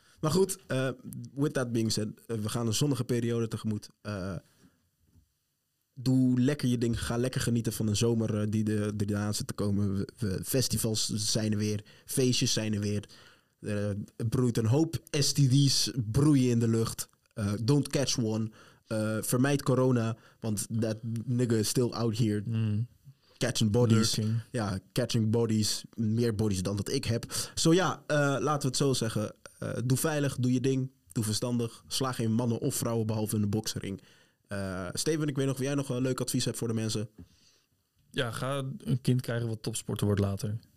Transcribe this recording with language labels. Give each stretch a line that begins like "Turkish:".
Dutch: Maar goed,
English: with that being said,
Dutch: we gaan een zonnige periode tegemoet. Doe lekker je ding. Ga lekker genieten van een zomer die eraan zit te komen. Festivals zijn er weer. Feestjes zijn er weer. Er broeit een hoop STD's broeien in de lucht.
English: Don't catch one.
Dutch: Vermijd corona, want
English: that nigga is still out here. Mm. Catching bodies. Lurking.
Dutch: Ja,
English: catching bodies.
Dutch: Meer bodies dan dat ik heb. Zo ja, laten we het zo zeggen. Doe veilig, doe je ding. Doe verstandig. Sla geen mannen of vrouwen behalve in de boksering. Steven, ik weet nog of jij nog een leuk advies hebt voor de mensen. Ja, ga een kind krijgen wat topsporter wordt later.